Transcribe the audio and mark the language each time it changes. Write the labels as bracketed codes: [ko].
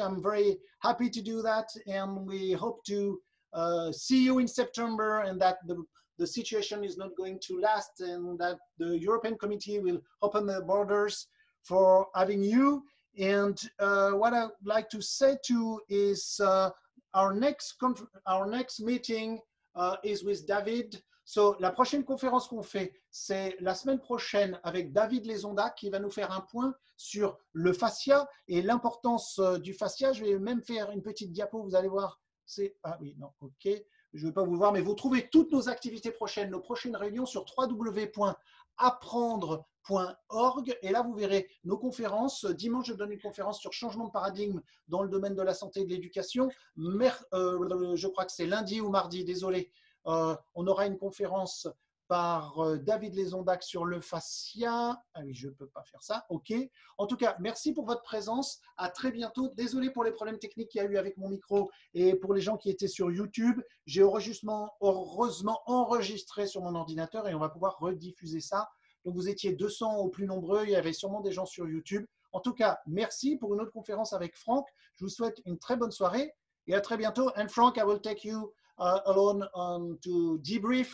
[en] I'm very happy to do that, and we hope to see you in September, and that the situation is not going to last, and that the European Committee will open the borders for having you. And what I'd like to say to is our next meeting is with David. [fr] So la prochaine conférence qu'on fait, c'est la semaine prochaine avec David Lesonda qui va nous faire un point sur le fascia et l'importance du fascia. Je vais même faire une petite diapo, vous allez voir. Je ne vais pas vous voir, mais vous trouvez toutes nos activités prochaines, nos prochaines réunions sur www.apprendre.org. Et là, vous verrez nos conférences. Dimanche, je donne une conférence sur changement de paradigme dans le domaine de la santé et de l'éducation. Je crois que c'est lundi ou mardi, désolé. On aura une conférence par David Lesondac sur le fascia. Ah oui, je ne peux pas faire ça. OK. En tout cas, merci pour votre présence. À très bientôt. Désolé pour les problèmes techniques qu'il y a eu avec mon micro et pour les gens qui étaient sur YouTube. J'ai heureusement enregistré sur mon ordinateur et on va pouvoir rediffuser ça. Donc, vous étiez 200 au plus nombreux. Il y avait sûrement des gens sur YouTube. En tout cas, merci pour une autre conférence avec Franck. Je vous souhaite une très bonne soirée et à très bientôt. [en] And Franck, I will take you alone on to debrief.